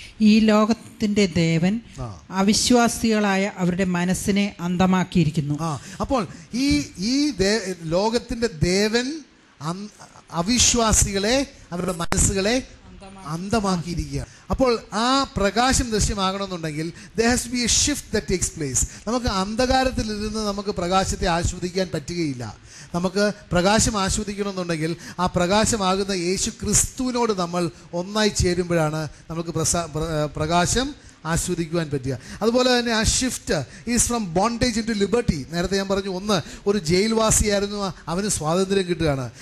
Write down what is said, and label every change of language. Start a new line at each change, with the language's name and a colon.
Malayalam: ഈ ലോകത്തിന്റെ ദേവൻ അവിശ്വാസികളായ അവരുടെ മനസ്സിനെ അന്ധമാക്കിയിരിക്കുന്നു. അപ്പോൾ ഈ ലോകത്തിന്റെ ദേവൻ അവിശ്വാസികളെ, അവരുടെ മനസ്സുകളെ അന്ധമാക്കിയിരിക്കുക. അപ്പോൾ ആ പ്രകാശം ദൃശ്യമാകണമെന്നുണ്ടെങ്കിൽ
English: there has to be a shift that takes place.
Malayalam: നമുക്ക് അന്ധകാരത്തിൽ ഇരുന്ന് നമുക്ക് പ്രകാശത്തെ ആസ്വദിക്കാൻ പറ്റുകയില്ല. നമുക്ക് പ്രകാശം ആസ്വദിക്കണമെന്നുണ്ടെങ്കിൽ ആ പ്രകാശമാകുന്ന യേശു ക്രിസ്തുവിനോട് നമ്മൾ ഒന്നായി ചേരുമ്പോഴാണ് നമുക്ക് പ്രകാശം ആസ്വദിക്കുവാൻ പറ്റുക. അതുപോലെ തന്നെ
English: ആ shift is from bondage in to liberty.
Malayalam: നേരത്തെ ഞാൻ പറഞ്ഞു, ഒന്ന് ഒരു ജയിൽവാസിയായിരുന്നു, അവന് സ്വാതന്ത്ര്യം കിട്ടുകയാണ്.